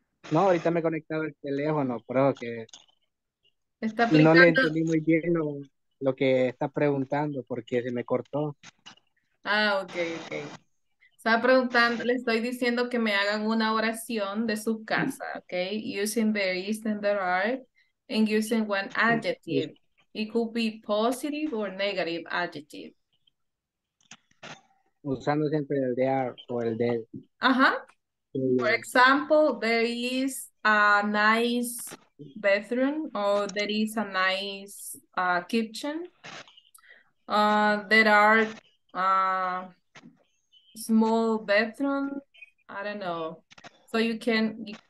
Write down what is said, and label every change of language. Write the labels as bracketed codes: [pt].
[es] No, ahorita me he conectado el teléfono, pero que... Está aplicando. No le entendí muy bien lo que está preguntando porque se me cortó. Ah, ok. Está preguntando, le estoy diciendo que me hagan una oración de su casa, ok? [en] Using there is and there are and using one adjective. It could be positive or negative adjective. [es] Usando siempre el de are o el de. Ajá. [en] For example, there is a nice bedroom, or there is a nice kitchen. There are small bedroom. I don't know. So you can.